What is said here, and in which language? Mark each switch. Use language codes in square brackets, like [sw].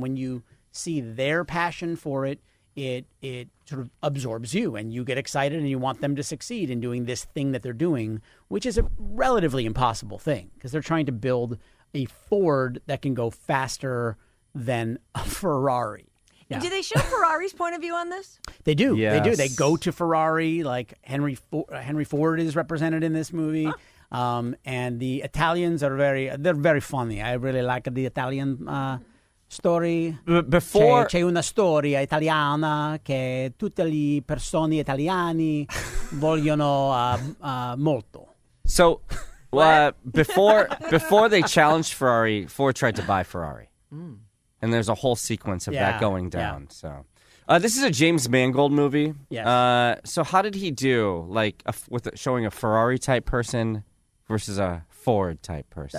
[en] And when you see their passion for it, it sort of absorbs you and you get excited and you want them to succeed in doing this thing that they're doing, which is a relatively impossible thing because they're trying to build a Ford that can go faster than a Ferrari. Yeah. Do they show Ferrari's point of view on this? They do. Yes. They do. They go to Ferrari, like Henry Ford is represented in this movie. And the Italians are very funny. I really like the Italian story. Before [it] c'è una storia italiana che tutte le persone italiane vogliono molto. [en] So, before they challenged Ferrari, Ford tried to buy Ferrari, and there's a whole sequence of that going down. Yeah. So, this is a James Mangold movie. Yes. So, how did he do? Like showing a Ferrari type person versus a Ford type person.